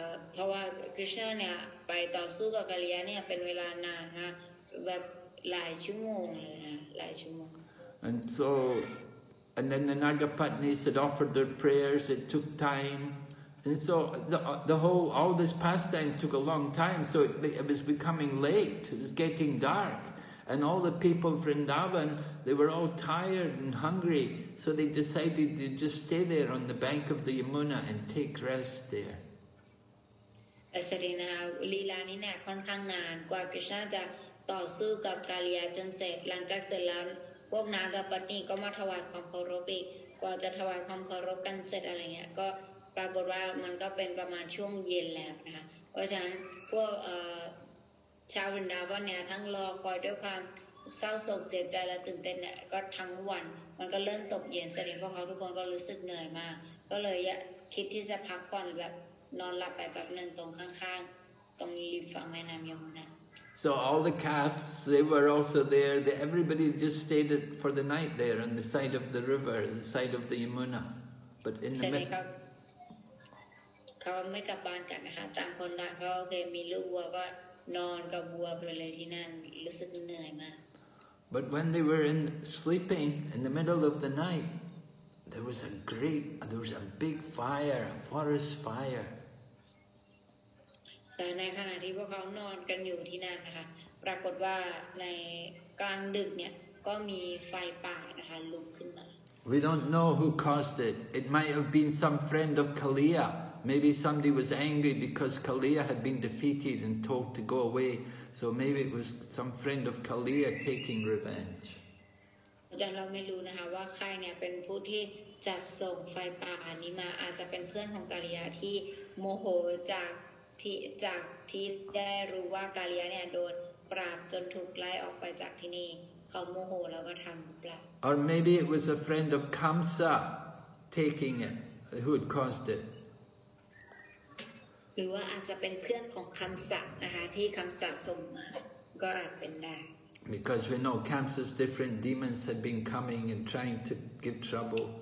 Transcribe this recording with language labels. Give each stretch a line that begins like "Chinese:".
Thai: เพราะว่าคริชนาเนี่ยไปต่อสู้กับกัลยาเนี่ยเป็นเวลานานนะแบบหลายชั่วโมงเลยนะหลายชั่วโมง
English: and so and then the Nagapatnis had offered their prayers it took time and so the whole all this pastime took a long time so it was becoming late it was getting dark and all the people of Vrindavan they were all tired and hungry so they decided to just stay there on the bank of the Yamuna and take rest there
Thai: เสร็จนะคะลีลานี้เนี่ยค่อนข้างนานกว่าคริชนาจะต่อสู้กับกาลียาจนเสร็จหลังจากเสร็จแล้วพวกนางกับปัตตินีก็มาถวายความเคารพอีกกว่าจะถวายความเคารพกันเสร็จอะไรเงี้ยก็ปรากฏว่ามันก็เป็นประมาณช่วงเย็นแล้วนะคะเพราะฉะนั้นพวก ชาววรรณดาวันเนี่ยทั้งรอคอยด้วยความเศร้าโศกเสียใจและตื่นเต้นเนี่ยก็ทั้งวันมันก็เริ่มตกเย็นเสร็จพวกเขาทุกคนก็รู้สึกเหนื่อยมากก็เลยคิดที่จะพักผ่อนแบบนอนหลับไปแบบนึงตรงข้างๆตรงริมฝั่งแม่น้ำยมุนา
English: So all the calves they were also there they everybody just stayed for the night there on the side of the river the side of the Yamuna but in the
Thai: middle เขาไม่กลับบ้านกันนะคะต่างคนต่างเขาโอเคมีลูกวัวก็นอนกับวัวไปเลยที่นั่นรู้สึกเหนื่อยมาก
English: But when they were in sleeping in the middle of the nightThere was a great, there was a big fire, a forest fire.
Thai: แต่ในขณะที่พวกเขานอนกันอยู่ที่นั่นนะคะปรากฏว่าในกลางดึกเนี่ยก็มีไฟป่านะคะลุกขึ้นมา
English: We don't know who caused it. It might have been some friend of Kaliya. Maybe somebody was angry because Kaliya had been defeated and told to go away. So maybe it was some friend of Kaliya taking revenge.
Thai: แต่เราไม่รู้นะคะว่าใครเนี่ยเป็นผู้ที่จัดส่งไฟป่าอันนี้มาอาจจะเป็นเพื่อนของกาลียาที่โมโหจากที่ได้รู้ว่ากาลียาเนี่ยโดนปราบจนถูกไล่ออกไปจากที่นี่เขาโมโหแล้วก็ทำปราบ
English: Or maybe it was a friend of Kamsa taking it who had caused it
Thai: หรือว่าอาจจะเป็นเพื่อนของคัมสะนะคะที่คัมสะส่งมาก็อาจเป็นได้
English: Because we know Kamsa's different demons had been coming and trying to give trouble.